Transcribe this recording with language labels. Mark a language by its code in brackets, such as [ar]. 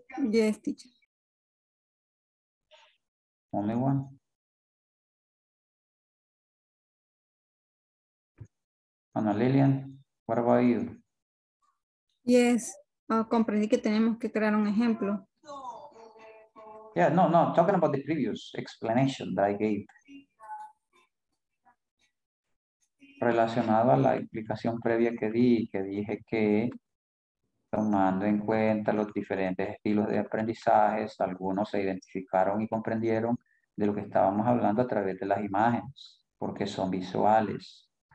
[en] Yes, teacher. Only one. Ana Lilian, what about you? Yes, [es] comprendí que tenemos que crear un ejemplo. [en] Yeah, no, talking about the previous explanation that I gave. [es] Relacionado a la explicación previa que dije que tomando en cuenta los diferentes estilos de aprendizaje, algunos se identificaron y comprendieron de lo que estábamos hablando a través de las imágenes, porque son visuales.